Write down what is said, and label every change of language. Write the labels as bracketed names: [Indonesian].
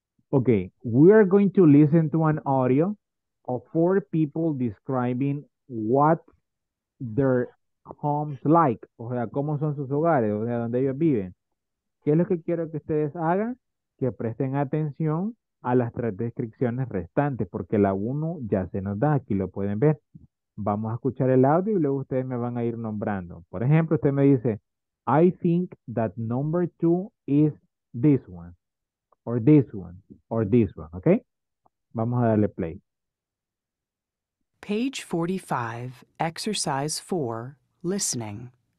[English] Okay, we are going to listen to an audio of four people describing what their homes like. [Spanish] O sea, cómo son sus hogares, o sea, donde ellos viven. ¿Qué es lo que quiero que ustedes hagan? Que presten atención a las tres descripciones restantes, porque la uno ya se nos da, aquí lo pueden ver. Vamos a escuchar el audio y luego ustedes me van a ir nombrando. Por ejemplo, usted me dice, [English] I think that number two is this one, or this one, or this one, okay? [Spanish] Vamos a darle play. [English] Page 45, exercise 4, listening.